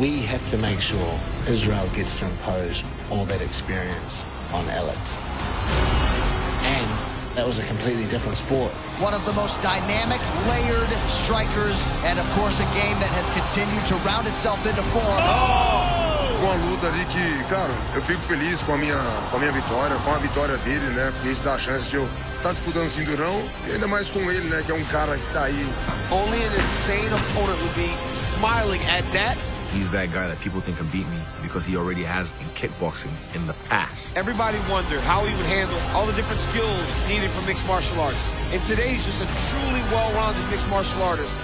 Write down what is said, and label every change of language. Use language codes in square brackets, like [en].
[en] We have to make sure Israel gets to impose all that experience on Alex. And that was a completely different sport. One of the most dynamic, layered strikers, and of course a game that has continued to round itself into form. [pt] Uma luta ali que, cara, eu fico feliz com a minha vitória, com a vitória dele, né? Porque isso dá a chance de eu estar disputando o cinturão, e ainda mais com ele, né? Que é cara que tá aí. [en] Only an insane opponent would be smiling at that. He's that guy that people think can beat me because he already has been kickboxing in the past. Everybody wonder how he would handle all the different skills needed for mixed martial arts. And today's just a truly well-rounded mixed martial artist.